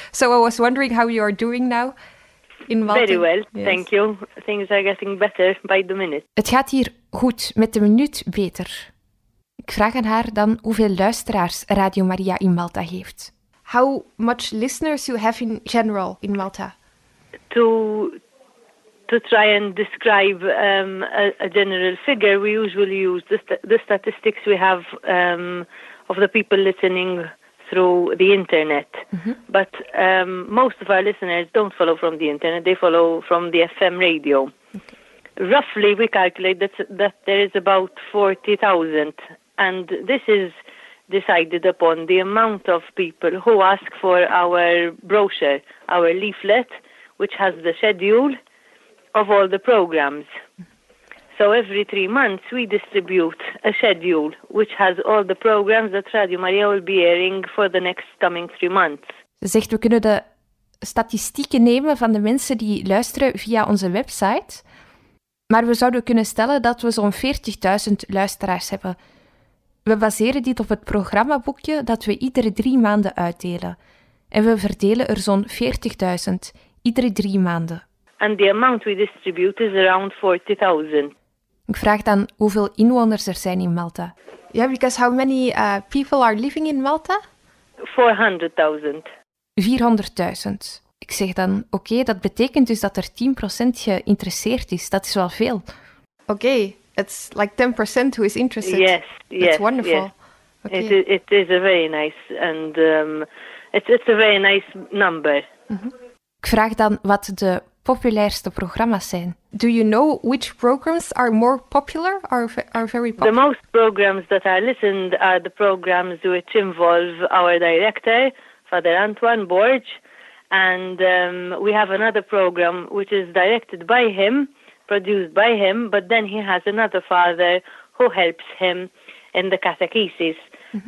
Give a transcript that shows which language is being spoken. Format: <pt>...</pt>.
<en>So I was wondering how you are doing now in Malta. Very well, yes. Thank you. Things are getting better by the minute.</en> <nl>Het gaat hier goed, met de minuut beter. Ik vraag aan haar dan hoeveel luisteraars Radio Maria in Malta heeft.</nl> <en>How much listeners you have in general in Malta? To try and describe a general figure, we usually use the statistics we have of the people listening through the internet. Mm-hmm. But most of our listeners don't follow from the internet, they follow from the FM radio. Okay. Roughly, we calculate that there is about 40,000. And this is decided upon the amount of people who ask for our brochure, our leaflet, which has the schedule of all the programs. So every 3 months we distribute a schedule which has all the programs that Radio Maria will be airing for the next coming 3 months.</en> <nl>Ze zegt, we kunnen de statistieken nemen van de mensen die luisteren via onze website, maar we zouden kunnen stellen dat we zo'n 40.000 luisteraars hebben. We baseren dit op het programmaboekje dat we iedere 3 maanden uitdelen. En we verdelen er zo'n 40.000 iedere 3 maanden.</nl> <en>And the amount we distribute is around 40,000.</en> <nl>Ik vraag dan hoeveel inwoners er zijn in Malta.</nl> <en>Yeah, because how many people are living in Malta? 400,000. 400,000.</en> <nl>Ik zeg dan, oké, dat betekent dus dat er 10% geïnteresseerd is. Dat is wel veel.</nl> <en>Oké, it's like 10% who is interested. Yes, that's yes. That's wonderful. Yes. Okay. It is a very nice and it's a very nice number. Mm-hmm.</en> <nl>Ik vraag dan wat de populairste programma's zijn.</nl> <en>Do you know which programs are more popular or are very popular? The most programs that are listened are the programs which involve our director, Father Antoine Borge, and we have another program which is directed by him, produced by him, but then he has another father who helps him in the catechesis, mm-hmm.</en>